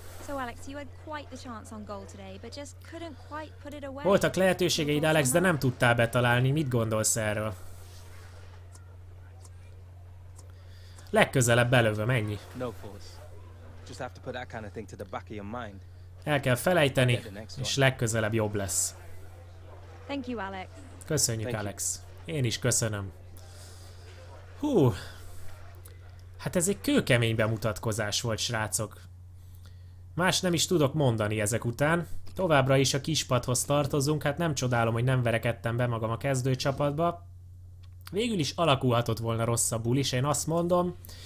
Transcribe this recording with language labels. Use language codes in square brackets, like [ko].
[en] So Alex, you had quite the chance on goal today, but just couldn't quite put it away. [hu] Voltak lehetőségeid, Alex, de nem tudtál betalálni. Mit gondolsz erről? Legközelebb belövöm, ennyi. [en] No force. Just have to put that kind of thing to the back of your mind. [hu] El kell felejteni, és legközelebb jobb lesz. [en] Thank you, Alex. [hu] Köszönjük, Alex. Én is köszönöm. Hú, hát ez egy kőkemény bemutatkozás volt, srácok. Más nem is tudok mondani ezek után. Továbbra is a kispadhoz tartozunk, hát nem csodálom, hogy nem verekedtem be magam a kezdőcsapatba. Végül is alakulhatott volna rosszabbul is, én azt mondom.